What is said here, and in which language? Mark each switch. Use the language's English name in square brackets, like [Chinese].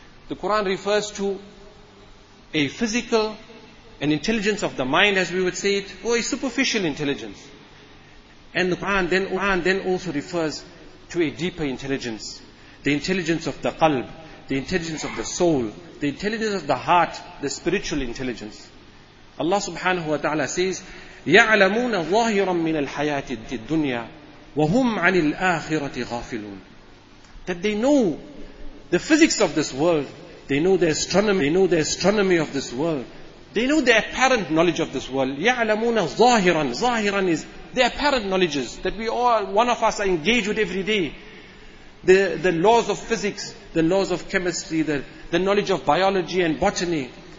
[English] The Quran refers to a physical, an intelligence of the mind, as we would say it, or a superficial intelligence. And the Quran then also refers to a deeper intelligence, the intelligence of the qalb, the intelligence of the soul, the intelligence of the heart, the spiritual intelligence. Allah subhanahu wa ta'ala says, [Arabic] يَعْلَمُونَ ظَاهِرًا مِنَ الْحَيَاةِ الدُّنْيَا وَهُمْ عَنِ الْآخِرَةِ غَافِلُونَ. [English] That they know the physics of this world, they know the astronomy, of this world, they know the apparent knowledge of this world. [Arabic] يَعْلَمُونَ ظَاهِرًا. [English] ظَاهِرًا is the apparent knowledges that we all, one of us, are engaged with every day. The laws of physics, the laws of chemistry, the knowledge of biology and botany.